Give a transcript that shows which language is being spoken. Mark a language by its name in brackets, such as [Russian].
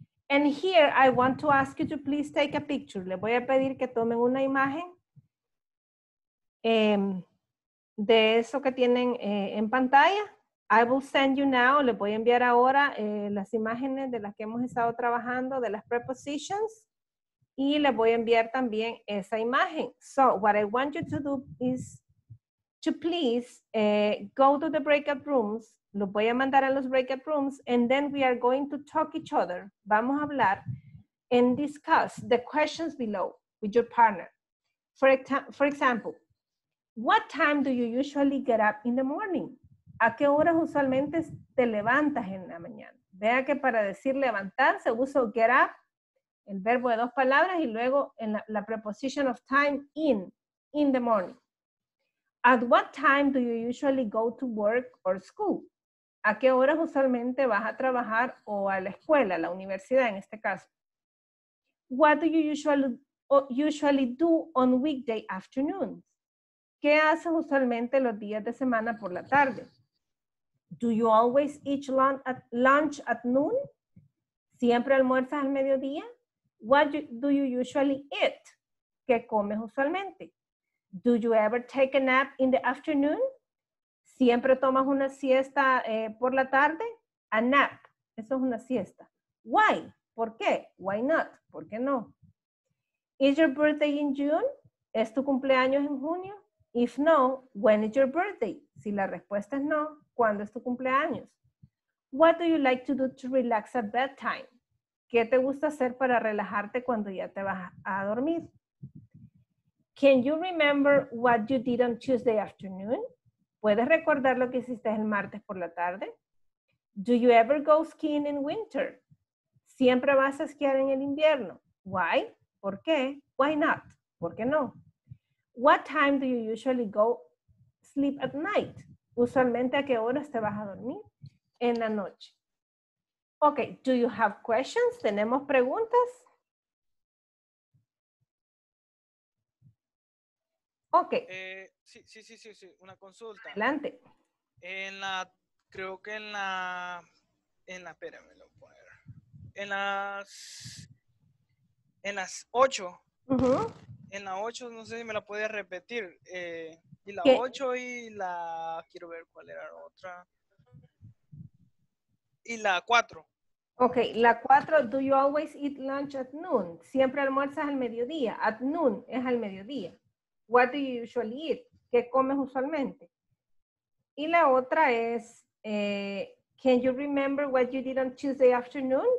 [English] And here, I want to ask you to please take a picture. [Spanish] Le voy a pedir que tomen una imagen de eso que tienen en pantalla. [English] I will send you now, [Spanish] le voy a enviar ahora las imágenes de las que hemos estado trabajando, de las prepositions, y le voy a enviar también esa imagen. [English] So, what I want you to do is to please go to the breakout rooms, [Spanish] los voy a mandar a los breakout rooms, [English] and then we are going to talk each other, [Spanish] vamos a hablar, [English] and discuss the questions below with your partner. For example, what time do you usually get up in the morning? [Spanish] ¿A qué hora usualmente te levantas en la mañana? Vea que para decir levantarse uso get up, el verbo de dos palabras, y luego en la [English] preposition of time in the morning. At what time do you usually go to work or school? [Spanish] ¿A qué hora usualmente vas a trabajar o a la escuela, a la universidad en este caso? [English] What do you usually do on weekday afternoons? [Spanish] ¿Qué haces usualmente los días de semana por la tarde? [English] Do you always eat lunch at noon? [Spanish] ¿Siempre almuerzas al mediodía? [English] What do you usually eat? [Spanish] ¿Qué comes usualmente? [English] Do you ever take a nap in the afternoon? [Spanish] ¿Siempre tomas una siesta por la tarde? [English] A nap. [Spanish] Eso es una siesta. [English] Why? [Spanish] ¿Por qué? [English] Why not? [Spanish] ¿Por qué no? [English] Is your birthday in June? [Spanish] ¿Es tu cumpleaños en junio? [English] If no, when is your birthday? [Spanish] Si la respuesta es no, ¿cuándo es tu cumpleaños? [English] What do you like to do to relax at bedtime? [Spanish] ¿Qué te gusta hacer para relajarte cuando ya te vas a dormir? [English] Can you remember what you did on Tuesday afternoon? [Spanish] ¿Puedes recordar lo que hiciste el martes por la tarde? [English] Do you ever go skiing in winter? [Spanish] ¿Siempre vas a esquiar en el invierno? [English] Why? [Spanish] ¿Por qué? [English] Why not? [Spanish] ¿Por qué no? [English] What time do you usually go sleep at night? [Spanish] ¿Usualmente a qué horas te vas a dormir? En la noche. [English] Okay, do you have questions? [Spanish] ¿Tenemos preguntas? Ok. Sí, una consulta. Adelante. En las 8. Uh-huh. En la 8, no sé si me la puedes repetir. Y la 8 y la, quiero ver cuál era la otra. Y la 4. [English] Ok, la 4, do you always eat lunch at noon? [Spanish] Siempre almuerzas al mediodía. [English] At noon [Spanish] es al mediodía. [English] What do you usually eat? [Spanish] ¿Qué comes usualmente? Y la otra es, [English] can you remember what you did on Tuesday afternoon?